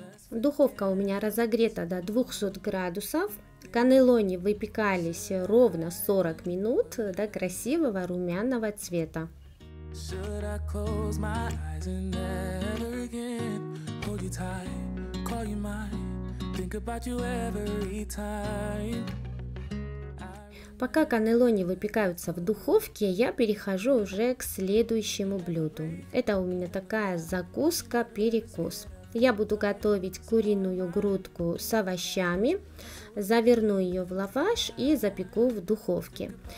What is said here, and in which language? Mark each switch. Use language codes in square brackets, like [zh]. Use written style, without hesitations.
[ru] Духовка у меня разогрета до 200 градусов. Каннеллони выпекались ровно 40 минут до красивого румяного цвета. [en] Should I close my eyes and never again hold you tight, call you mine, think about you every time? [ru] Пока каннеллони выпекаются в духовке, я перехожу уже к следующему блюду. Это у меня такая закуска-перекус. Я буду готовить куриную грудку с овощами, заверну ее в лаваш и запеку в духовке.